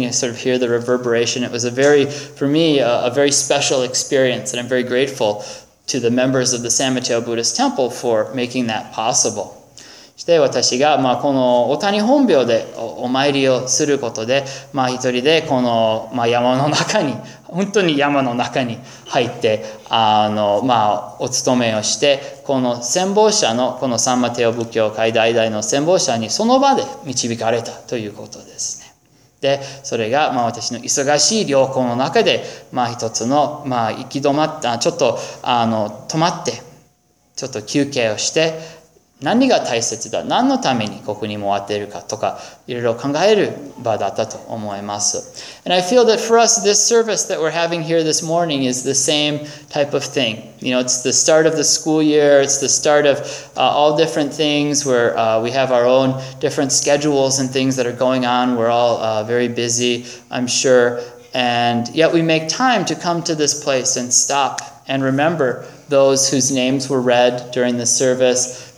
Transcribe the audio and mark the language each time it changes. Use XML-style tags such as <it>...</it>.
<en>You sort of hear the reverberation. It was a very special experience, and I'm very grateful to the members of the San Mateo Buddhist Temple for making that possible.</en> <ja>して私がこの大谷本廟でお参りをすることで、一人でこの山の中に、本当に山の中に入って、お勤めをして、この先方者の、このサンマテオ仏教会代々の先方者にその場で導かれたということですね。で、それが私の忙しい旅行の中で、一つの、行き止まった、ちょっと、止まって、ちょっと休憩をして、何が大切だ、何のためにここにもあっているかとか、いろいろ考える場だったと思います。</ja> <en>And I feel that for us, this service that we're having here this morning is the same type of thing. It's the start of the school year, it's the start of all different things where we have our own different schedules and things that are going on. We're all very busy, I'm sure. And yet we make time to come to this place and stop and remember those whose names were read during the service.</en>